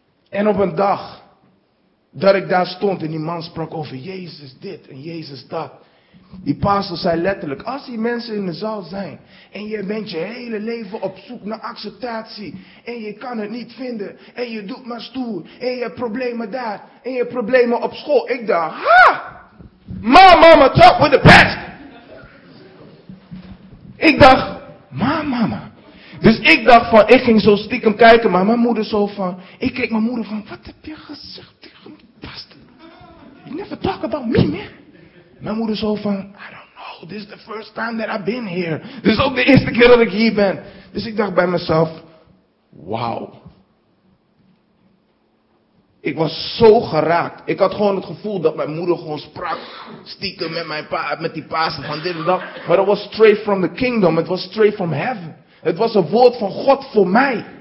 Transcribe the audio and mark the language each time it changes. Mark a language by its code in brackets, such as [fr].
[nl] En op een dag dat ik daar stond en die man sprak over Jezus dit en Jezus dat. Die pastor zei letterlijk, als die mensen in de zaal zijn en je bent je hele leven op zoek naar acceptatie en je kan het niet vinden en je doet maar stoer en je hebt problemen daar en je hebt problemen op school. Ik dacht, ha! [en] My mama talk with the best! [nl] Ik dacht, [en] my mama. [nl] Dus ik dacht van, ik ging zo stiekem kijken, maar mijn moeder zo van, ik keek mijn moeder van, wat heb je gezegd tegen de pastor? [en] You never talk about me, man. [nl] Mijn moeder zo van, [en] I don't know, this is the first time that I've been here. [nl] Dit is ook de eerste keer dat ik hier ben. Dus ik dacht bij mezelf, wow. Ik was zo geraakt. Ik had gewoon het gevoel dat mijn moeder gewoon sprak, stiekem met mijn pa, met die pasen van dit en dat. Maar dat was [en] straight from the kingdom, [nl] het was [en] straight from heaven. [nl] Het was een woord van God voor mij.